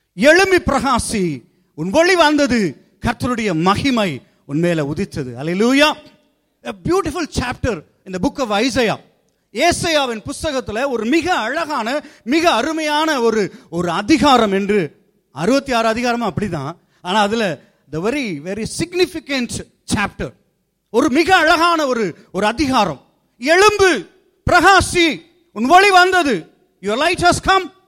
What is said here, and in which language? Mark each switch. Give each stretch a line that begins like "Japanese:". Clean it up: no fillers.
Tamil: எழும்பி பிரகாசி, உன் ஒளி வந்தது, கர்த்தருடைய மகிமை உன் மேல உதித்தது. அல்லேலூயா.
English: A beautiful chapter in the book of Isaiah.
Tamil: ஏசாயாவின் புத்தகத்துல ஒரு மிக அழகான, மிக அருமையான ஒரு ஒரு அதிகாரம் என்று, 66 அப்படிதான், ஆனா அதுல
English: the very very significant chapter.
Tamil: ஒரு மிக அழகான ஒரு ஒரு அதிகாரம். எழும்பு பிரகாசி, உன் ஒளி வந்தது.
English: Your light has come.